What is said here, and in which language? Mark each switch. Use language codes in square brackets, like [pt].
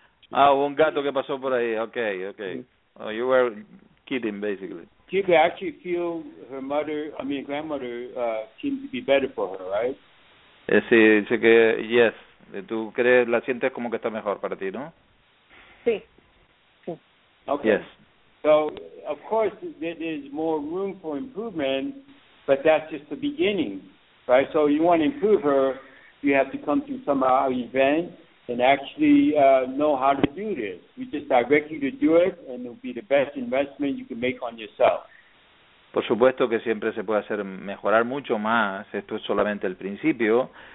[es] Ah, hubo un gato que pasó por ahí. [en] Okay. Oh, you were kidding, basically. She could actually feel her mother, I mean, grandmother, seemed to be better for her, right? [es] Sí, dice que, [en] yes. [es] Tú crees, la sientes como que está mejor para ti, ¿no? Sí. Okay. [en] Yes. So, of course, there is more room for improvement, but that's just the beginning, right? So you want to improve her, you have to come to some event and actually know how to do this. We just direct you to do it, and it'll be the best investment you can make on yourself. [es] Por supuesto que siempre se puede hacer mejorar mucho más. Esto es solamente el principio.